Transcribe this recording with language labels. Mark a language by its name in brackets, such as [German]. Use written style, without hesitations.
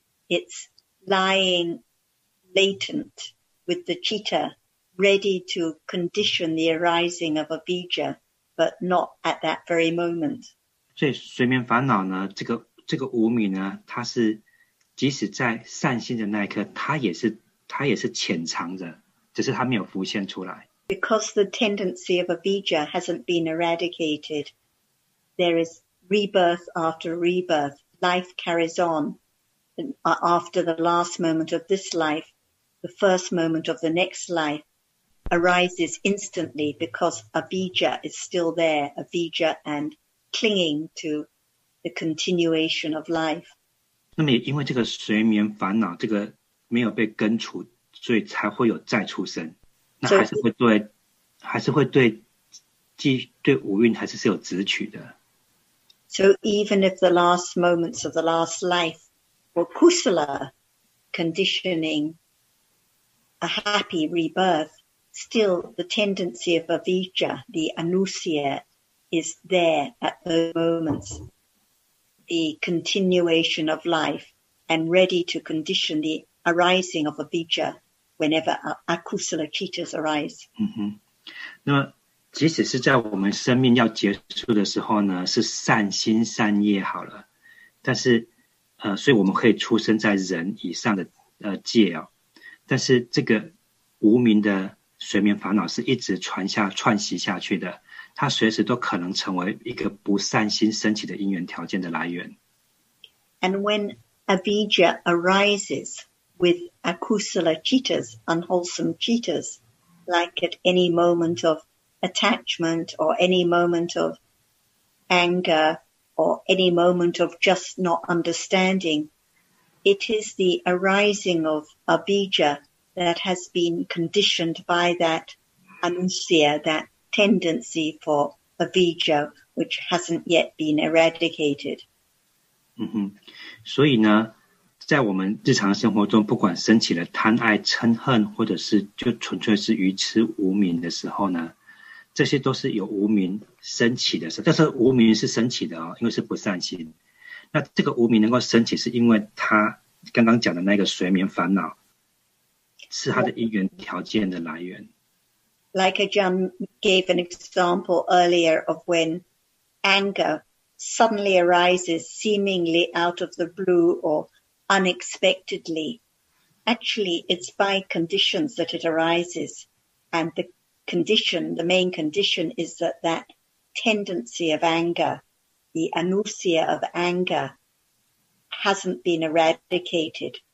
[English] It's lying latent with the citta, ready to condition the arising of avijja, but not at that very moment. [Chinese] 所以睡眠烦恼呢，这个无明呢，它是即使在善心的那一刻，它也是潜藏着，只是它没有浮现出来。 [English] Because the tendency of avijja hasn't been eradicated, there is rebirth after rebirth, life carries on. After the last moment of this life, the first moment of the next life arises instantly because avijja is still there, avijja and clinging to the continuation of life. [Chinese] 那么也因为这个睡眠烦恼，这个没有被根除，所以才会有再出生。那还是会对，对五蕴还是有执取的。 [English] So even if the last moments of the last life were kusala, conditioning a happy rebirth, still the tendency of avijja, the anusaya, is there at those moments, the continuation of life, and ready to condition the arising of avijja whenever akusala cittas arise. Mm-hmm. [Chinese] 即使是在我们生命要结束的时候呢，是善心善业好了，但是所以我们可以出生在人以上的界哦，但是这个无明的睡眠烦恼是一直串习下去的，它随时都可能成为一个不善心升起的因缘条件的来源。 [English] And when avijja arises with akusala cittas, unwholesome cittas, like at any moment ofattachment or any moment of anger or any moment of just not understanding, it is the arising of avijja that has been conditioned by that anusaya, that tendency for avijja, which hasn't yet been eradicated. [Chinese] 嗯哼，所以呢，在我们日常生活中，不管升起了贪爱嗔恨，或者是就纯粹是愚痴无明的时候呢，这些都是有无明升起的，但是无明是升起的哦，因为是不善心。那这个无明能够升起，是因为他刚刚讲的那个随眠烦恼，是他的因缘条件的来源。 [English] Like Ajahn gave an example earlier of when anger suddenly arises, seemingly out of the blue or unexpectedly. Actually, it's by conditions that it arises, and the main condition is that tendency of anger, the anusaya of anger, hasn't been eradicated.